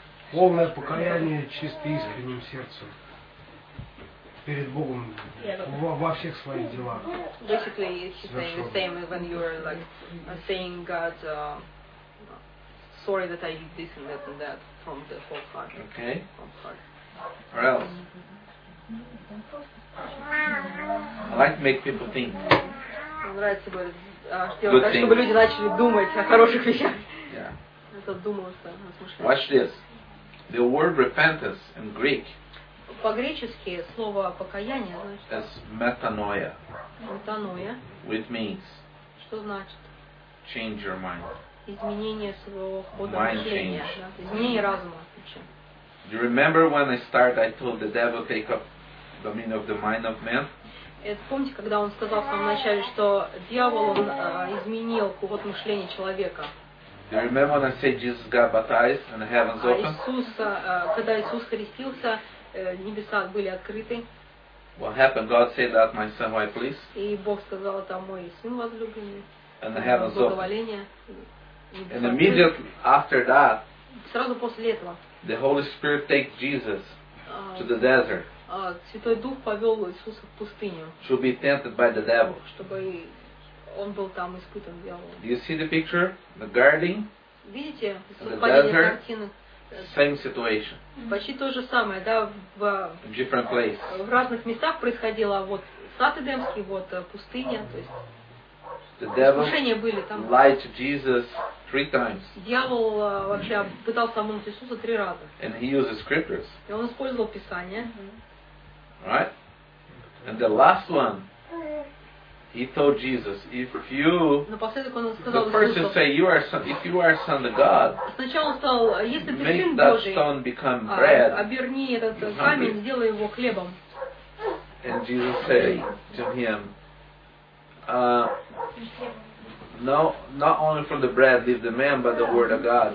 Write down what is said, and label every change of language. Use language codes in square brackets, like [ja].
[ru] Полное покаяние чисто искренним сердцем перед Богом во всех своих делах. [en] Basically, it's the same when you're like saying God, sorry that I did this and that and that from the whole heart. Okay. Or else? I like to make people think. [ru] Нравится, чтобы люди начали думать о хороших вещах. [en] Yeah. [ru] Это думалось, [en] Watch this. The word repentance in Greek. [ru] По-гречески слово покаяние значит. [en] As metanoia. [ru] Метаноя. [en] Which means. [ru] Что значит? [en] Change your mind. [ru] Изменение своего хода мышления. Изменение разума. [en] You remember when I started? I told the devil take up dominion of the mind of man. [ru] Это помните, когда он сказал в самом начале, что дьявол он изменил ход мышления человека. [en] You remember when I said Jesus got baptized and the heavens opened? [ru] Иисус крестился, небеса были открыты. [en] What happened? God said that my son, why please? [ru] И Бог сказал, это мой сын возлюбленный. [en] And the heavens opened. And immediately after that. [ru] Сразу после этого. [en] The Holy Spirit take Jesus to the desert. [ru] Святой Дух повел Иисуса в пустыню. [en] To be tempted by the devil. [ru] Чтобы он был там испытан дьяволом. [en] Do you see the picture? The garden? [ru] Видите, совпадение картины? [en] Same situation. [ru] Почти то же самое, да, в [en] different place. [ru] В разных местах происходило, вот сад Эдемский, вот пустыня, то есть [en] the devil [ru] искушения были там. [en] Lied to Jesus three times. [ru] Дьявол вообще пытался обмануть Иисуса три раза. [en] And he used the scriptures. [ru] И он использовал Писание. [en] Right? And the last one. He told Jesus, if you, the person say, if you are son of God, make that stone become bread, and Jesus said to him, no, not only from the bread live the man, but the word of God.